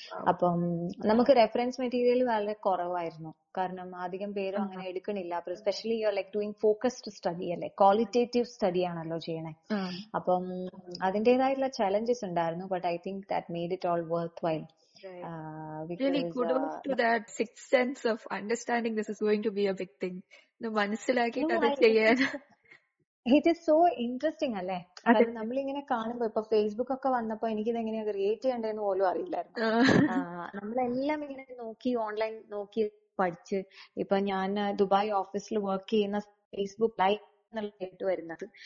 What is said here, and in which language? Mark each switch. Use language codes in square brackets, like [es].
[ml] അപ്പം നമുക്ക് reference material വളരെ കുറവായിരുന്നു, കാരണം അധികം പേരും അങ്ങനെ എടുക്കണില്ല. [en] especially you are like doing focused study [ml] അല്ലേ, ക്വാളിറ്റേറ്റീവ് സ്റ്റഡി ആണല്ലോ ചെയ്യണേ. അപ്പം അതിന്റേതായിട്ടുള്ള ചലഞ്ചസ് ഉണ്ടായിരുന്നു, [en] But I think that made it all worthwhile. Really kudos to that sixth sense of understanding this is going to be a big thing. No, [ml] manasilaki adu cheyan. [en] It is so interesting, [ml] alle. കാരണം നമ്മളിങ്ങനെ കാണുമ്പോ ഇപ്പൊ Facebook ഒക്കെ വന്നപ്പോ എനിക്കിത് എങ്ങനെയാ create ചെയ്യേണ്ടതെന്ന് പോലും അറിയില്ലായിരുന്നു. നമ്മളെല്ലാം ഇങ്ങനെ നോക്കി ഓൺലൈൻ നോക്കി പഠിച്ച് ഇപ്പൊ ഞാൻ ദുബായ് ഓഫീസിൽ വർക്ക് ചെയ്യുന്ന ഫേസ്ബുക്ക് ലൈവ് എന്നുള്ള കേട്ട് വരുന്നത്.